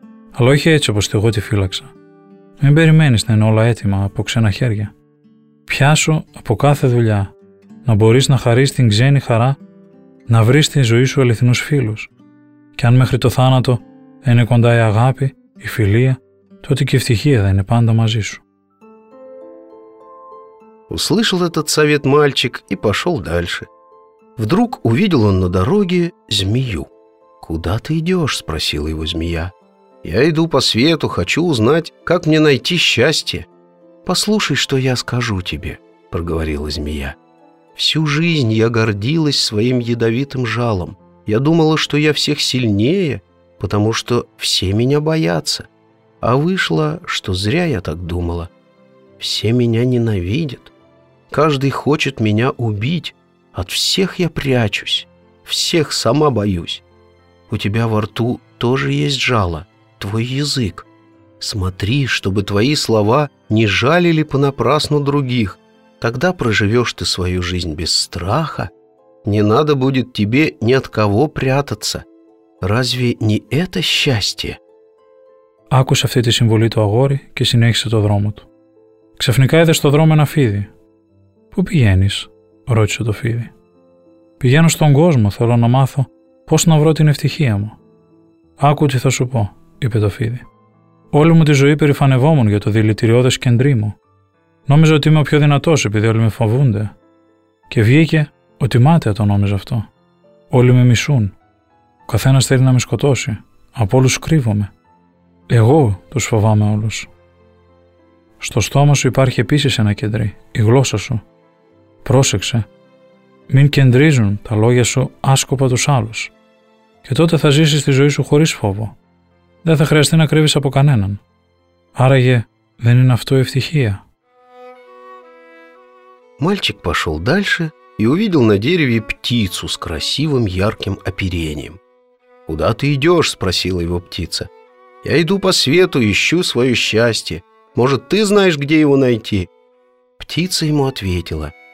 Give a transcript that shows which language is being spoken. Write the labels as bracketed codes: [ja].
[el] Αλλά όχι έτσι όπως εγώ τη φύλαξα. Μην περιμένεις να είναι όλα έτοιμα από ξένα χέρια. Πιάσου από κάθε δουλειά να μπορείς να χαρείς την ξένη χαρά, να βρεις στη ζωή σου αληθινούς φίλους. Και αν μέχρι το θάνατο είναι κοντά η αγάπη, η φιλία, τότε και η ευτυχία θα είναι πάντα μαζί σου». [ru] Услышал этот совет мальчик и пошел дальше. Вдруг увидел он на дороге змею. «Куда ты идешь?» — спросила его змея. «Я иду по свету, хочу узнать, как мне найти счастье». «Послушай, что я скажу тебе», — проговорила змея. «Всю жизнь я гордилась своим ядовитым жалом. Я думала, что я всех сильнее, потому что все меня боятся. А вышло, что зря я так думала. Все меня ненавидят. Каждый хочет меня убить. От всех я прячусь. Всех сама боюсь. У тебя во рту тоже есть жало, твой язык. Смотри, чтобы твои слова не жалили понапрасну других. Тогда проживешь ты свою жизнь без страха. Не надо будет тебе ни от кого прятаться. Разве не это счастье?» [el] Άκουσε αυτή τη συμβουλή το αγόρι και συνέχισε το δρόμο του. Ξαφνικά είδε στο δρόμο ένα φίδι. «Πού πηγαίνεις?» ρώτησε το φίδι. «Πηγαίνω στον κόσμο, θέλω να μάθω πώς να βρω την ευτυχία μου». «Άκου τι θα σου πω», είπε το φίδι. «Όλη μου τη ζωή περηφανευόμουν για το δηλητηριώδες κεντρί μου. Νόμιζα ότι είμαι ο πιο δυνατός επειδή όλοι με φοβούνται. Και βγήκε ότι μάταια το νόμιζα αυτό. Όλοι με μισούν. Ο καθένας θέλει να με σκοτώσει. Από όλους κρύβομαι. Εγώ τους φοβάμαι όλους. Στο στόμα σου υπάρχει επίσης ένα κεντρί, η γλώσσα σου. Πρόσεξε. Μην κεντρίζουν τα λόγια σου άσκοπα τους άλλους. Και τότε θα ζήσεις τη ζωή σου χωρίς φόβο. Δεν θα χρειαστεί να κρύβεις από κανέναν. Άραγε, δεν είναι αυτό η ευτυχία?» [ru] Мальчик пошел дальше и увидел на дереве птицу с красивым ярким оперением. «Куда ты идешь?» — спросила его птица. «Я иду по свету, ищу свое счастье. Может, ты знаешь, где его найти?» Птица ему ответила.